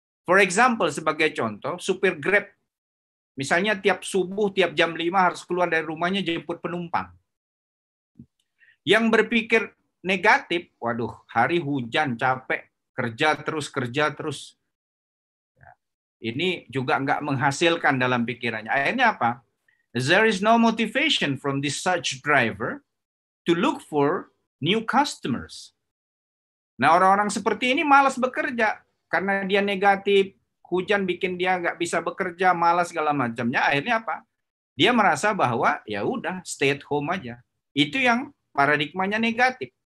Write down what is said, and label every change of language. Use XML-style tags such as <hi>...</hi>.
<en>For example,</en> <id>sebagai contoh, supir Grab, misalnya tiap subuh, tiap jam 5 harus keluar dari rumahnya jemput penumpang. Yang berpikir negatif, waduh, hari hujan, capek, kerja terus. Ini juga nggak menghasilkan dalam pikirannya. Akhirnya apa?</id> <en>There is no motivation from this such driver to look for new customers.</en> <id>Nah, orang-orang seperti ini malas bekerja karena dia negatif. Hujan bikin dia nggak bisa bekerja, malas segala macamnya. Akhirnya apa? Dia merasa bahwa ya udah</id> <en>stay at home</en> <id>aja. Itu yang paradigmanya negatif.</id>